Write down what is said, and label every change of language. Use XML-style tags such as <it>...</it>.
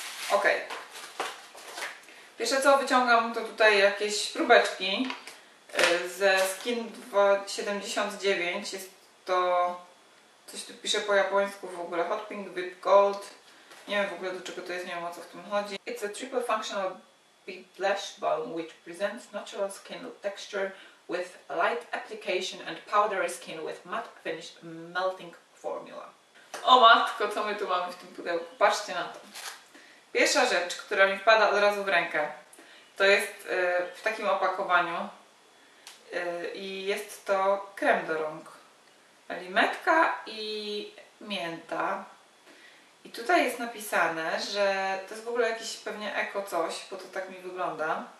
<pl>Ok. Pierwsze co wyciągam, to tutaj jakieś próbeczki ze Skin 79. Jest to. Coś tu pisze po japońsku w ogóle. Hot Pink Whip Gold. Nie wiem w ogóle do czego to jest, nie wiem o co w tym chodzi.</pl> <en>It's a triple functional Big Lash Balm, which presents natural skin texture with light application and powdery skin with matte finish melting formula.</en> <pl>O matko, co my tu mamy w tym pudełku? Patrzcie na to. Pierwsza rzecz, która mi wpada od razu w rękę, to jest w takim opakowaniu i jest to krem do rąk. Limetka i mięta. I tutaj jest napisane, że to jest w ogóle jakiś pewnie eko coś, bo to tak mi wygląda.</pl>